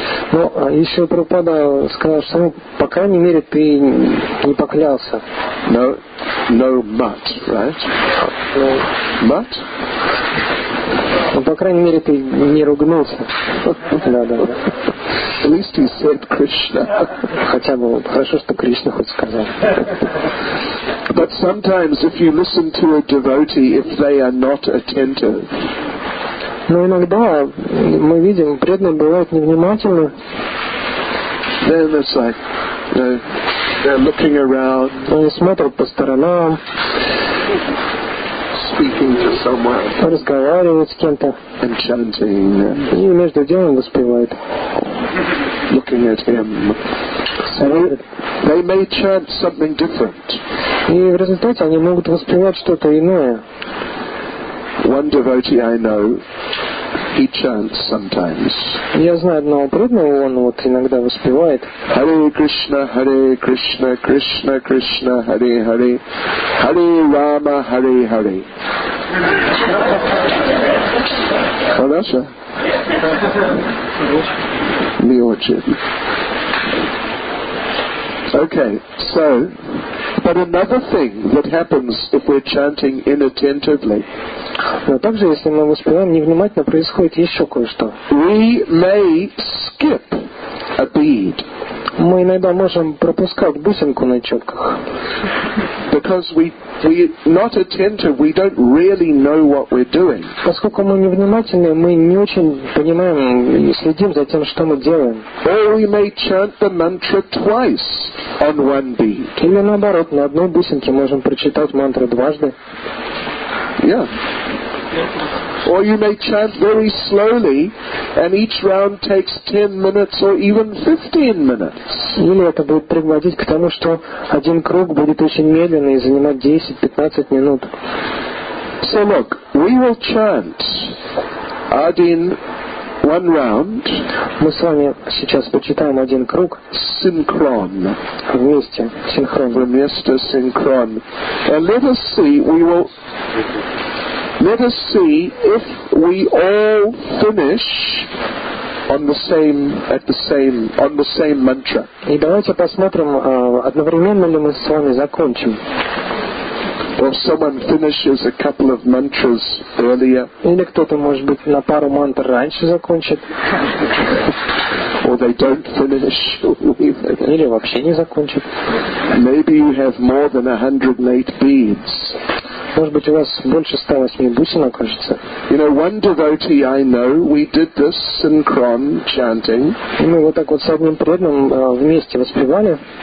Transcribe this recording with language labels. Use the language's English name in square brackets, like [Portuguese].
[Russian] Ну, еще Прабхупада сказал, что, ну, по крайней мере, ты не поклялся. [English] No, no but, right? No. But? [Russian] Ну, по крайней мере, ты не ругнулся. Да, да, да. [English] At least he said Krishna. [Russian] Хотя бы хорошо, что Кришна хоть сказал. [English] But sometimes, if you listen to a devotee, if they are not attentive. [Russian] Но иногда мы видим, преданные бывают невнимательны. [English] Then it's like, you know, they're looking around. [Russian] Они смотрят по сторонам. [English] Speaking to someone. [Russian] Разговаривают с кем-то. [English] And chanting. [Russian] И между делом воспевают. [English] Looking at him. They may chant something different. [Russian] И в результате они могут воспевать что-то иное. [English] One devotee I know, he chants sometimes. [Russian] Я знаю одного преданного, он вот иногда воспевает. [Sanskrit] Hare Krishna, Hare Krishna, Krishna Krishna, Hare Hare, Hare Rama, Hare Hare. [Russian] Хорошо. Не очень. [English] Okay, so. But another thing that happens if we're chanting inattentively. [Russian] Но также, если мы воспеваем невнимательно, происходит еще кое-что. [English] We may skip a bead. [Russian] Мы иногда можем пропускать бусинку на четках. [English] Because we not attentive, we don't really know what we're doing. [Russian] Поскольку мы невнимательны, мы не очень понимаем и следим за тем, что мы делаем. [English] Or we may chant the mantra twice on one bead. [Russian] Или наоборот, на одной бусинке можем прочитать мантру дважды. [English] Yeah. Or you may chant very slowly, and each round takes 10 minutes or even 15 minutes. [Russian] Или это будет приводить к тому, что один круг будет очень медленный и занимать 10-15 минут. [English] So look, we will chant один one round. [Russian] Мы с вами сейчас почитаем один круг. Синхрон. Вместе. Синхрон. Вместе синхрон. [English] And let us see, let us see if we all finish on the same mantra. [Russian] И давайте посмотрим, одновременно ли мы с вами закончим. [English] Or someone finishes a couple of mantras earlier. [Russian] Или кто-то, может быть, на пару мантр раньше закончит. [English] Or they don't finish. [Russian] Или вообще не закончит. [English] Maybe you have more than 108 beads. [Russian] Может быть, у вас больше 108 бусин окажется. [English] You know, one devotee I know, we did this synchron chanting. [Russian] Мы вот так вот с одним преданным вместе воспевали.